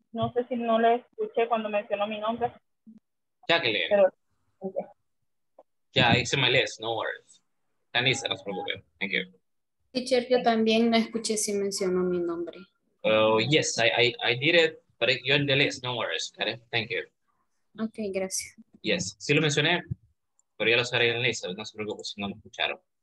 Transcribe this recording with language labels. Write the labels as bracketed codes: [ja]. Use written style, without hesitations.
[es] No sé si no le escuché cuando mencionó mi nombre. Jacqueline. [en] Ya, okay. Yeah, it's in my list, no worries. [es] Tanisa, no se preocupe. [en] Thank you. [es] Teacher, yo también no escuché si mencionó mi nombre. [en] Yes, I did it, but you're in the list, no worries. Got it? Thank you. [es] Okay, gracias. Yes, sí lo mencioné, pero ya lo sabré en la lista, no se preocupe si no lo escucharon.